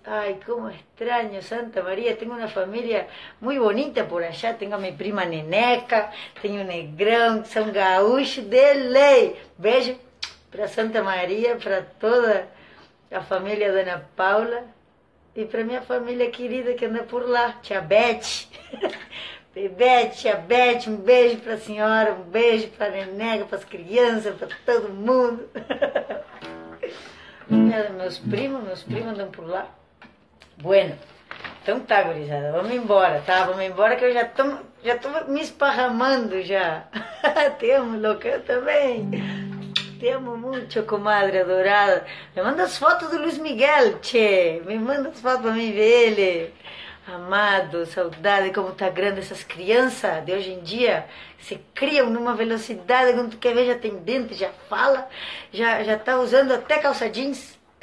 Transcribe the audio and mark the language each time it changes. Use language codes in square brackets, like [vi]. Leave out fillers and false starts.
[es] Ay, cómo extraño Santa María, tengo una familia muy bonita por allá, tengo a mi prima Neneca, tengo un negrón, son gaúchos de ley. Bello, para Santa María, para toda la familia de Ana Paula. [pt] E para minha família querida que anda por lá, tia Beth. Bebete, tia Beth, um beijo para a senhora, um beijo para a neneca, para as crianças, para todo mundo. Meus primos andam por lá. Bueno, então tá, gurizada, vamos embora, tá? Vamos embora que eu já tô me esparramando já. Te amo, louca, eu também. [es] Te amo mucho, comadre adorada. Me mandas fotos de Luis Miguel, che. Me mandas fotos para mí dele. [pt] Amado, saudade, como tá grande essas crianças de hoje em dia. Se criam numa velocidade, quando tu quer ver já tem dente, já fala. Já tá usando até calça jeans.